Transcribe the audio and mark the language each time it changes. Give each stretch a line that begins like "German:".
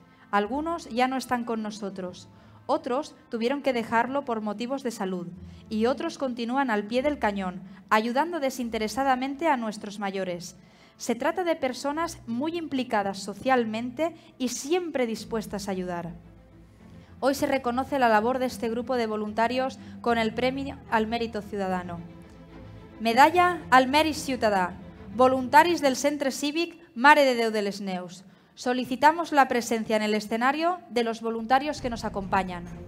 Spanish: Algunos ya no están con nosotros. Otros tuvieron que dejarlo por motivos de salud y otros continúan al pie del cañón, ayudando desinteresadamente a nuestros mayores. Se trata de personas muy implicadas socialmente y siempre dispuestas a ayudar. Hoy se reconoce la labor de este grupo de voluntarios con el Premio al Mérito Ciudadano.
Catalan: Medalla al Mèrit Ciutadà, voluntaris del Centre Cívic Mare de Déu de les Neus.
Spanish: Solicitamos la presencia en el escenario de los voluntarios que nos acompañan.